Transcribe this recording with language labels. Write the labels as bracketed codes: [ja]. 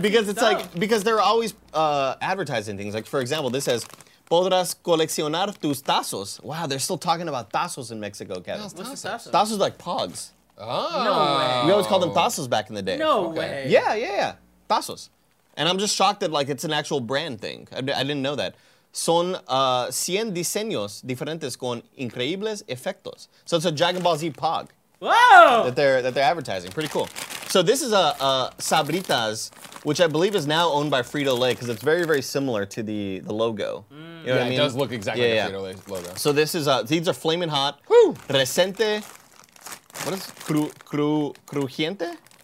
[en] Because it's like, because they're always advertising things. Like, for example, this says, [es] Podrás coleccionar tus tazos. [en] Wow, they're still talking about tazos in Mexico, Kevin. What's tazos? Tazos are like pogs. Oh. No way. We always called them tazos back in the day. No way. Yeah. Tazos. And I'm just shocked that, like, it's an actual brand thing. I didn't know that. [es] Son 100 diseños diferentes con increíbles efectos. [en] So it's a Dragon Ball Z pog. Whoa! That they're advertising. Pretty cool. So this is a Sabritas, which I believe is now owned by Frito-Lay because it's very, very similar to the logo. Mm. You know what I mean? It does look exactly like a Frito-Lay logo. So this is these are Flamin' Hot. Woo! Reciente. What is crujiente?